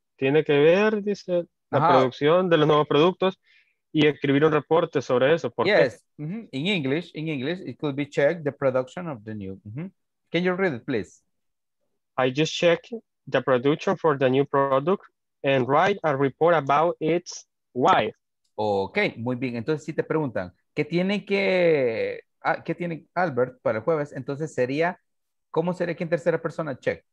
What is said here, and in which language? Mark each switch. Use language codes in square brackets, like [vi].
[es] Tiene que ver, dice, la producción de los nuevos productos y escribir un reporte sobre eso. ¿Por [en] yes. In English, it could be checked the production of the new. Can you read it, please? I just check the production for the new product and write a report about its why. [es] Okay, muy bien. Entonces, si te preguntan, ¿qué tiene Albert para el jueves? Entonces, sería, ¿cómo sería que en tercera persona check?